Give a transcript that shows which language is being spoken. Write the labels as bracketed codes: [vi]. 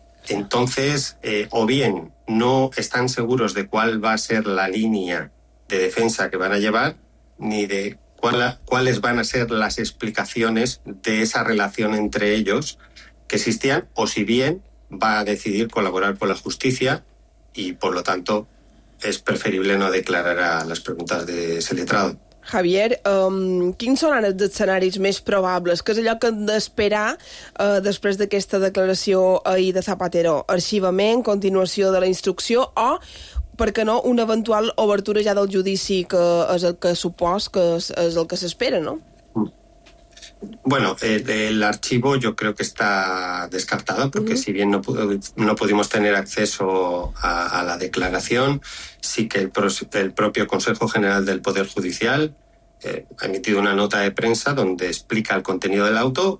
[es] Entonces, o bien no están seguros de cuál va a ser la línea de defensa que van a llevar, ni de cuáles van a ser las explicaciones de esa relación entre ellos que existían, o si bien va a decidir colaborar con la justicia y, por lo tanto, es preferible no declarar a las preguntas de ese letrado. [ca] Javier, quins són ara els escenaris més probables? Què és allò que hem d'esperar després d'aquesta declaració ahir de Zapatero? Arxivament, continuació de la instrucció o, per què no, una eventual obertura ja del judici, que és el que supòs que és el que s'espera, no? [es] Bueno, el archivo yo creo que está descartado, porque si bien no pudimos tener acceso a la declaración, sí que el propio Consejo General del Poder Judicial ha emitido una nota de prensa donde explica el contenido del auto.